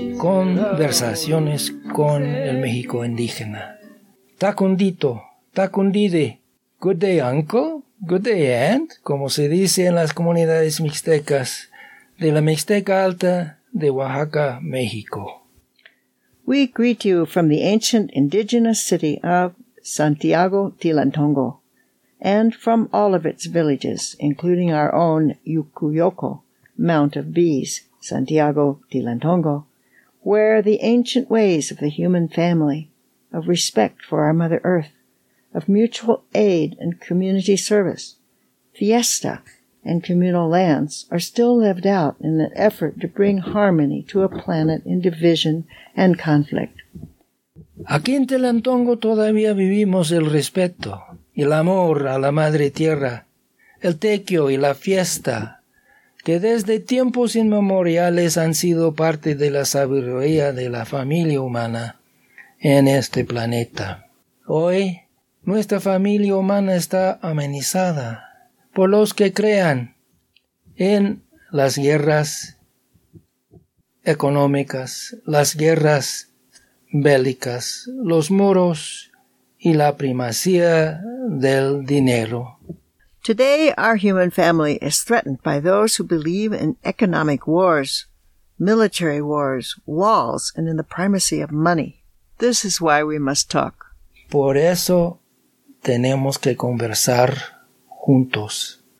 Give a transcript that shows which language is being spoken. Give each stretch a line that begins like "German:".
Spanish: Conversaciones con el México Indígena. Tacundito, tacundide.
English: Good day, uncle. Good day, aunt.
Spanish: Como se dice en las comunidades mixtecas de la Mixteca Alta de Oaxaca, México.
English: We greet you from the ancient indigenous city of Santiago Tilantongo and from all of its villages, including our own Yukuyoko, Mount of Bees, Santiago Tilantongo, where the ancient ways of the human family, of respect for our Mother Earth, of mutual aid and community service, fiesta, and communal lands are still lived out in an effort to bring harmony to a planet in division and conflict.
Spanish: Aquí en Tilantongo todavía vivimos el respeto, el amor a la madre tierra, el tequio y la fiesta, que desde tiempos inmemoriales han sido parte de la sabiduría de la familia humana en este planeta. Hoy, nuestra familia humana está amenizada por los que crean en las guerras económicas, las guerras bélicas, los muros y la primacía del dinero.
English: Today, our human family is threatened by those who believe in economic wars, military wars, walls, and in the primacy of money. This is why we must talk.
Spanish: Por eso, tenemos que conversar juntos.